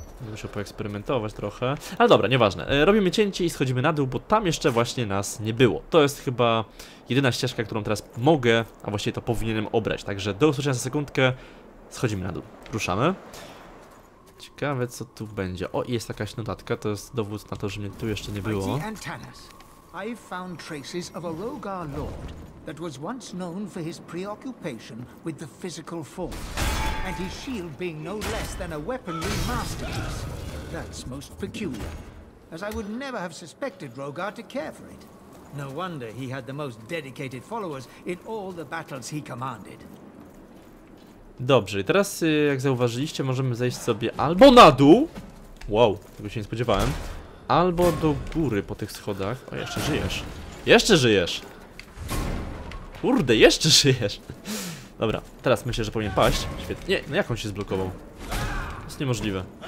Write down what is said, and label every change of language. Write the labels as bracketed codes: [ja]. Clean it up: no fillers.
[pl] Muszę poeksperymentować trochę. Ale dobra, nieważne. Robimy cięcie i schodzimy na dół, bo tam jeszcze właśnie nas nie było. To jest chyba jedyna ścieżka, którą teraz mogę, a właściwie to powinienem obrać. Także do usłyszenia za sekundkę. Schodzimy na dół. Ruszamy. Ciekawe co tu będzie. O, jest jakaś notatka, to jest dowód na to, że mnie tu jeszcze nie było. [en] Antanas, I've found traces of a Rogar lord that was once known for his preoccupation with the physical form. And his shield being no less than a weaponry masterpiece. That's most peculiar. As I would never have suspected Rogar to care for it. No wonder he had the most dedicated followers in all the battles he commanded. [pl] Dobrze, i teraz jak zauważyliście, możemy zejść sobie albo na dół. Wow, tego się nie spodziewałem. Albo do góry po tych schodach. O, jeszcze żyjesz. Jeszcze żyjesz. Kurde, jeszcze żyjesz. Dobra, teraz myślę, że powinien paść. Świetnie. Nie, no jak on się zblokował? To jest niemożliwe.